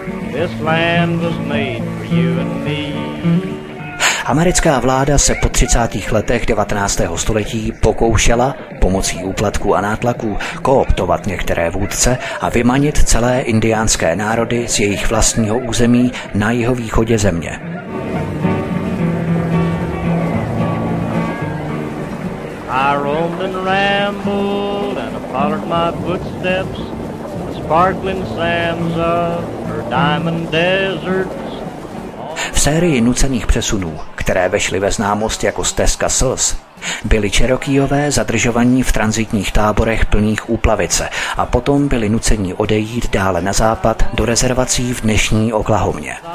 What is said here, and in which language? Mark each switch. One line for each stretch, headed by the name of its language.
English: This land was made for you and me.
Czech: Americká vláda se po 30. letech 19. století pokoušela pomocí úplatků a nátlaků kooptovat některé vůdce a vymanit celé indiánské národy z jejich vlastního území na jihovýchodě země.
English: I roamed and rambled and I followed my footsteps, the sparkling sands of her diamond deserts.
Czech: V sérii nucených přesunů, které vešly ve známost jako Stezka slz, byli Čerokýové zadržovaní v transitních táborech plných úplavice a potom byli nuceni odejít dále na západ do rezervací v dnešní Oklahomě.